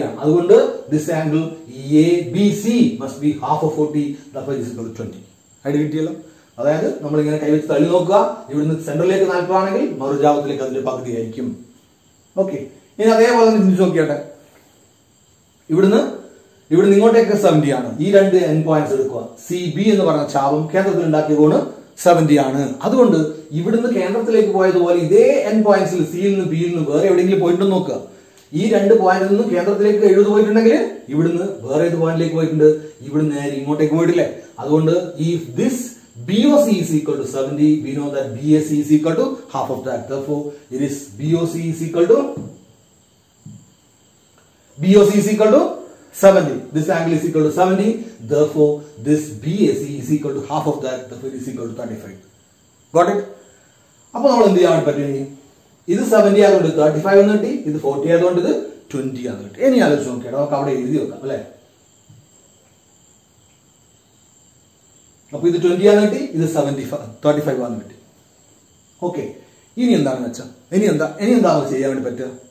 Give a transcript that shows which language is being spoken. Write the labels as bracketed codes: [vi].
[en] That is this angle ABC must be half of 40. Therefore, this is equal to 20. I did it. [ml] അതായത് നമ്മൾ ഇങ്ങനെ കൈവച്ച് തള്ളി നോക്കുക. ഇവിടെ നിന്ന് സെന്ററിലേക്ക് 40 ആണെങ്കിൽ മറുജാവത്തിലേക്ക് അതിന്റെ പകുതി ആയിരിക്കും. ഓക്കെ, ഇനി അതേപോലെ തന്നെ ചിന്തിച്ച് നോക്കിയാട്ടെ. ഇവിടുന്ന് ഇങ്ങോട്ടേക്ക് 70 ആണ്. ഈ രണ്ട് എൻ പോയിന്റ്സ് എടുക്കുക. സി ബി എന്ന് പറഞ്ഞ ചാപം കേന്ദ്രത്തിൽ ഉണ്ടാക്കിയ കോണ് 70 ആണ്. അതുകൊണ്ട് ഇവിടുന്ന് കേന്ദ്രത്തിലേക്ക് പോയതുപോലെ ഇതേ എൻ പോയിന്റ്സിൽ സിയിൽ നിന്ന് ബിയിൽ നിന്ന് വേറെ എവിടെയെങ്കിലും പോയിട്ടുണ്ട് നോക്കുക. ഈ രണ്ട് പോയിന്റിൽ നിന്ന് കേന്ദ്രത്തിലേക്ക് എഴുതി പോയിട്ടുണ്ടെങ്കിൽ ഇവിടുന്ന് വേറെ ഏത് പോയിന്റിലേക്ക് പോയിട്ടുണ്ട്? ഇവിടുന്ന് നേരെ ഇങ്ങോട്ടേക്ക് പോയിട്ടില്ലേ? [en] അതുകൊണ്ട് if this BOC is equal to 70, we know that BAC is equal to half of that. Therefore, it is BOC is equal to, BOC is equal to 70. This angle is equal to 70. Therefore, this BAC is equal to half of that. Therefore, it is equal to 35. Got it? [ml] അപ്പോൾ നമ്മൾ എന്ത് ചെയ്യാൻ പറ്റും? ഇത് 70 ആയതുകൊണ്ട് 35 എന്ന് കിട്ടി, ഇത് 40 ആയതുകൊണ്ട് ഇത് 20 എന്ന് കിട്ടി. ഇനി ആലോചിച്ച് നോക്കിയാൽ നമുക്ക് അവിടെ എഴുതി വെക്കാം അല്ലേ. അപ്പൊ ഇത് 20 ആണ് കിട്ടി, ഇത് 35 ആണ് കിട്ടി. ഓക്കെ, ഇനി എന്താണെന്ന് വെച്ചാൽ ഇനി എന്താ നമുക്ക് ചെയ്യാൻ വേണ്ടി പറ്റുക?